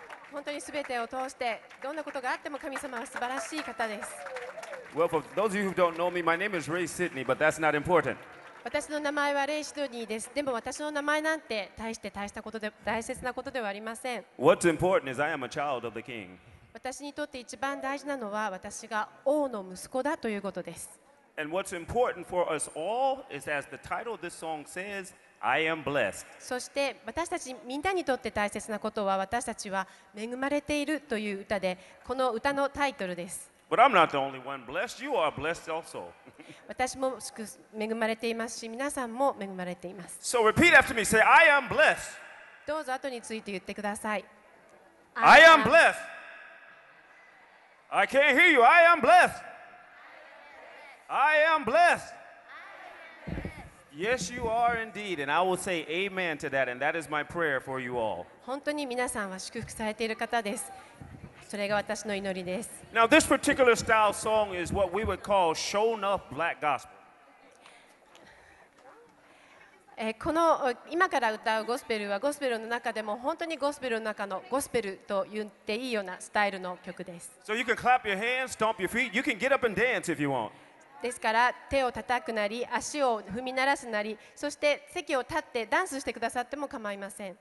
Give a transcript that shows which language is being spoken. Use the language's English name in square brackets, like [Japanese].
[Japanese] 本当にすべてを通してどんなことがあっても神様は素晴らしい方です。 [English] Well, for those of you who don't know me, my name is Ray Sidney, but that's not important. [Japanese] 私の名前はレイ・シドニーです。でも私の名前なんて大して大したことで大切なことではありません。 [English] What's important is I am a child of the King. [Japanese] 私にとって一番大事なのは私が王の息子だということです。 [English] And what's important for us all is, as the title of this song says, I am blessed. [Japanese] そして私たちみんなにとって大切なことは私たちは恵まれているという歌で、この歌のタイトルです。 [English] But I'm not the only one blessed. You are blessed also. [Japanese] 私も恵まれていますし、皆さんも恵まれています。 [English] So repeat after me. Say, I am blessed. [Japanese] どうぞ後について言ってください。 [English] I am blessed. I can't hear you. I am blessed. I am blessed. I am blessed. Yes, you are indeed, and I will say amen to that, and that is my prayer for you all. [Japanese] 本当に皆さんは祝福されている方です。それが私の祈りです。 [English] Now, this particular style song is what we would call shown up black gospel. [Japanese] この今から歌うゴスペルはゴスペルの中でも本当にゴスペルの中のゴスペルと言っていいようなスタイルの曲です。 [English] So you can clap your hands, stomp your feet, you can get up and dance if you want. [Japanese] ですから手を叩くなり足を踏み鳴らすなり、そして席を立ってダンスしてくださっても構いません。